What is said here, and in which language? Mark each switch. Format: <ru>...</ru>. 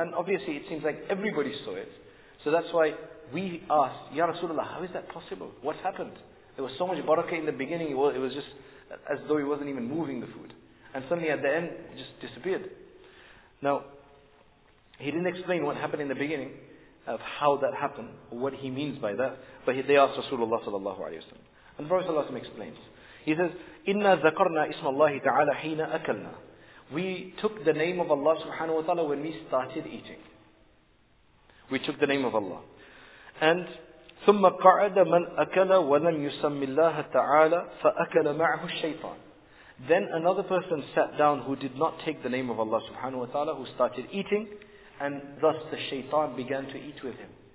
<en>And obviously it seems like everybody saw it. So that's why we asked,</en> <ar>يَا رَسُولَ اللَّهِ,</ar> <en>how is that possible? What's happened? There was so much barakah in the beginning, it was just as though he wasn't even moving the food. And suddenly at the end, it just disappeared. Now, he didn't explain what happened in the beginning, of how that happened, or what he means by that. But they asked Rasulullah sallallahu alayhi wa sallam. And the Prophet ﷺ explains. He says,</en> <ar>"Inna ذَكَرْنَا إِسْمَ اللَّهِ تَعَالَى حِينَ أَكَلْنَا."</ar> <en>We took the name of Allah subhanahu wa ta'ala when we started eating. We took the name of Allah.</en> <ar>And ثُمَّ قَعَدَ مَنْ أَكَلَ وَلَمْ يُسَمِّ اللَّهَ تَعَالَى فَأَكَلَ مَعْهُ الشَّيْطَانِ.</ar> <en>Then another person sat down who did not take the name of Allah subhanahu wa ta'ala, who started eating, and thus the shaytan began to eat with him.</en>